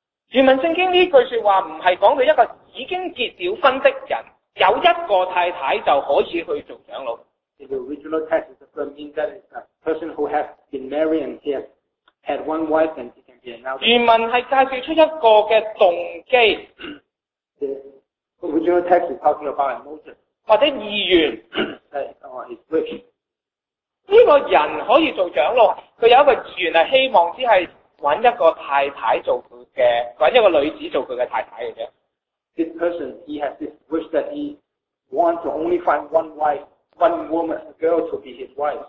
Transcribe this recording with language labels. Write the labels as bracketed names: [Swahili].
[Cantonese] 原文聖經呢句説話唔係講到一個已經結了婚的人有一個太太就可以去做長老。 [English] The original text is meaning that it's a person who has been married and he has had one wife and he can be an elder。 [Cantonese] 原文係介紹出一個嘅動機。 [English] The original text is talking about a motive. [Cantonese] 或者意願 [English] or his wish. [Cantonese] 呢個人可以做長老，佢有一個意願係希望只係揾一個太太做佢嘅，揾一個女子做佢嘅太太嘅啫。 [English] This person, he has this wish that he wants to only find one wife, one woman, a girl to be his wife.